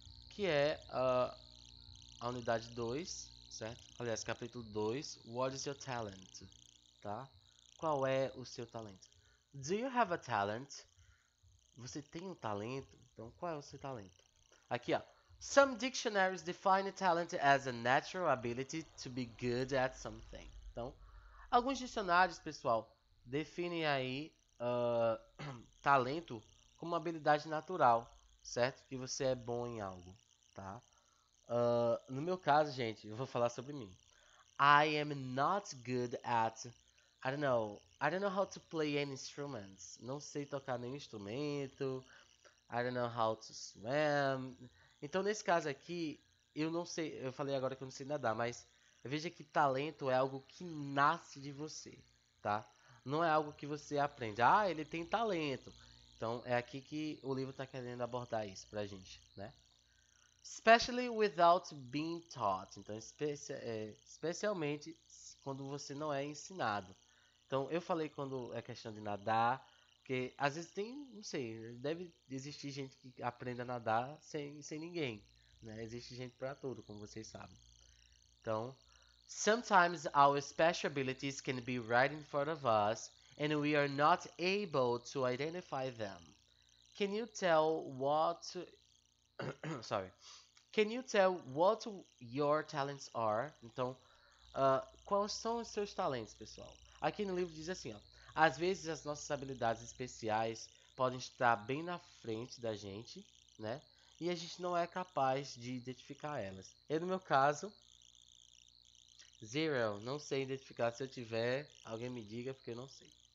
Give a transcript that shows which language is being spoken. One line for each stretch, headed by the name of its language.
Portuguese: Que é a unidade 2, certo? Aliás, capítulo 2,
English: What is your talent? Tá?
Portuguese: Qual é o seu talento?
English: Do you have a talent?
Portuguese: Você tem um talento? Então, qual é o seu talento? Aqui, ó.
English: Some dictionaries define talent as a natural ability to be good at something.
Portuguese: Então, alguns dicionários, pessoal, definem aí talento como uma habilidade natural, certo? Que você é bom em algo, tá? No meu caso, gente, eu vou falar sobre mim.
English: I am not good at, I don't know how to play any instruments.
Portuguese: Não sei tocar nenhum instrumento.
English: I don't know how to swim.
Portuguese: Então, nesse caso aqui, eu não sei, eu falei agora que eu não sei nadar, mas veja que talento é algo que nasce de você, tá? Não é algo que você aprende. Ah, ele tem talento. Então, é aqui que o livro tá querendo abordar isso pra gente, né? Especially without being taught. Então, especialmente quando você não é ensinado. Então, eu falei quando é questão de nadar. Porque às vezes tem, não sei, deve existir gente que aprenda a nadar sem ninguém, né? Existe gente para tudo, como vocês sabem.
English: Então, sometimes our special abilities can be right in front of us and we are not able to identify them. Can you tell what sorry. Can you tell what your talents are?
Portuguese: Então, quais são os seus talentos, pessoal? Aqui no livro diz assim, ó. Às vezes as nossas habilidades especiais podem estar bem na frente da gente, né? E a gente não é capaz de identificar elas. Eu, no meu caso, zero, não sei identificar. Se eu tiver, alguém me diga porque eu não sei.